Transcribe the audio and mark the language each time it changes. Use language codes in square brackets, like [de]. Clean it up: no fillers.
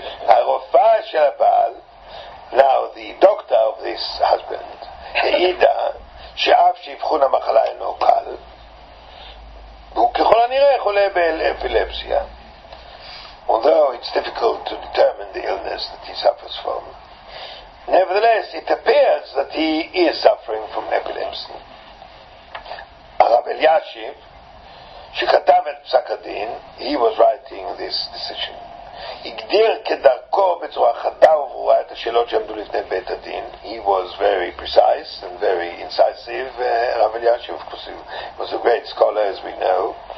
[he] Harofa shel ba'al, [en] now the doctor of this husband, [he] Heida, she'af she'ivchun ha'machala eno kal, והוא ככל הנראה חולה באפילפסיה. [en] Although it's difficult to determine the illness that he suffers from, nevertheless, it appears that he is suffering from epilepsy. [he] הרב אלישיב, שכתב את פסק הדין, [en] he was writing this decision, [he] הגדיר כדרכו בצורה חדה וברורה את השאלות שעמדו לפני בית הדין. [en] He was very precise and very incisive, רב אלישיב, of course, he was a great scholar, as we know.